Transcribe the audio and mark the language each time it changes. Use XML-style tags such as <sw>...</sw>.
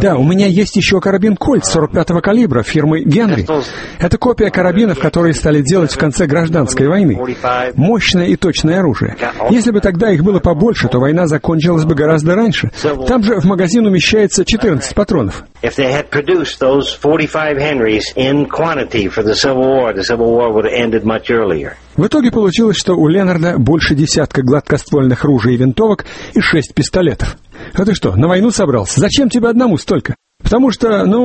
<ru>Да, у меня есть еще карабин «Кольт» 45-го калибра фирмы «Генри». Это копия карабинов, которые стали делать в конце гражданской войны. Мощное и точное оружие. Если бы тогда их было побольше, то война закончилась бы гораздо раньше. Там же в магазин умещается 14 патронов.</ru> <en>If they had produced those 45 Henrys in quantity for the Civil War would have ended much earlier.</en> <ru>В итоге получилось, что у Ленарда больше 10 гладкоствольных ружей и винтовок и 6 пистолетов. А ты что, на войну собрался? Зачем тебе одному столько? Потому что,</ru>